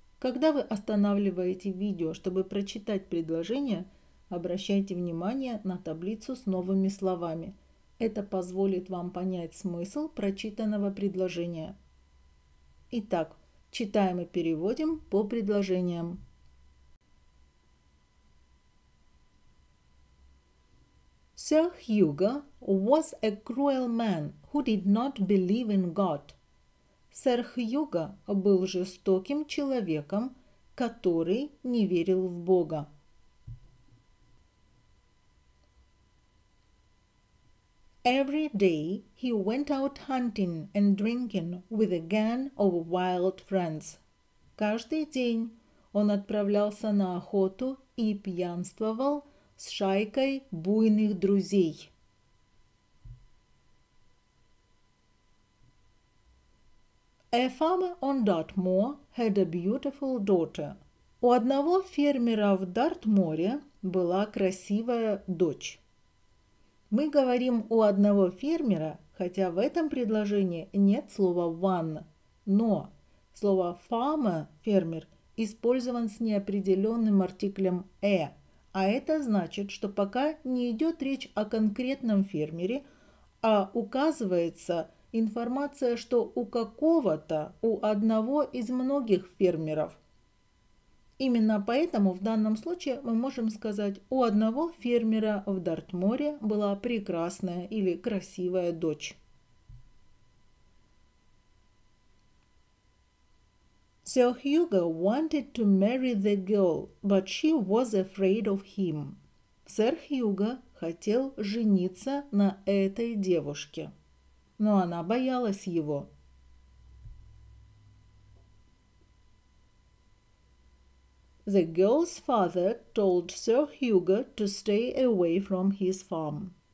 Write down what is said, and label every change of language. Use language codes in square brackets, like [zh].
[ru] Когда вы останавливаете видео, чтобы прочитать предложение, обращайте внимание на таблицу с новыми словами. Это позволит вам понять смысл прочитанного предложения. Итак, читаем и переводим по предложениям. [en] Sir Hugo was a cruel man who did not believe in God. [ru] Сэр Хьюго был жестоким человеком, который не верил в Бога. [en] Every day he went out hunting and drinking with a gang of wild friends. [ru] Каждый день он отправлялся на охоту и пьянствовал с шайкой буйных друзей. [en] A farmer on Dartmoor had a beautiful daughter. [ru] У одного фермера в Дартморе была красивая дочь. Мы говорим «у одного фермера», хотя в этом предложении нет слова «one», но слово «farmer» – «фермер» использован с неопределенным артиклем «a», а это значит, что пока не идет речь о конкретном фермере, а указывается информация, что у какого-то, у одного из многих фермеров. Именно поэтому в данном случае мы можем сказать, у одного фермера в Дартморе была прекрасная или красивая дочь. [en] Sir Hugo wanted to marry the girl, but she was afraid of him. [ru] Сэр Хьюго хотел жениться на этой девушке. Но она боялась его. [en] The girl's father told Sir Hugo to stay away from his farm.